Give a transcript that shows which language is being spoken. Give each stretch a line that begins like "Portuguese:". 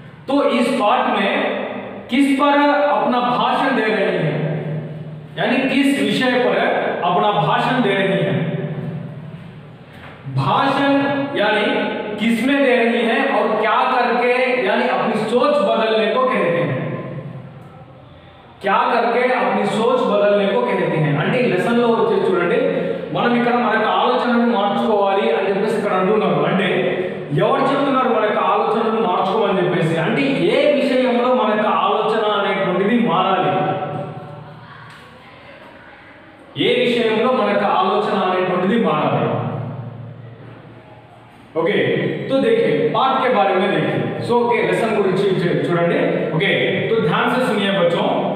Hindi: तो इस पाठ में किस पर अपना भाषण दे रही है, यानी किस विषय पर अपना भाषण दे रही है, भाषण यानी किसमें दे रही है और क्या करके यानी अपनी सोच बदलने को कहते हैं, क्या करके अपनी सोच बदलने को कहते हैं।
Telugu: అంటే లెసన్ లో వచ్చే చూడండి, మనం ఇక్కడ మన ఆలోచనను మార్చుకోవాలి అని చెప్పేసి ఇక్కడ అంటున్నారు। అంటే ఎవరు చెప్తున్నారు మన ఆలోచనను మార్చుకోమని చెప్పేసి? అంటే ఏ విషయంలో మన ఆలోచన అనేటువంటిది మారాలి, ఏ విషయంలో మన ఆలోచన అనేటువంటిది మారాలి?
Hindi: ओके, तो देखिए पाठ के बारे में देखिए। सो ओके,
Telugu: लेसन को चूड़ी।
Hindi: ओके, तो ध्यान से सुनिए बच्चों।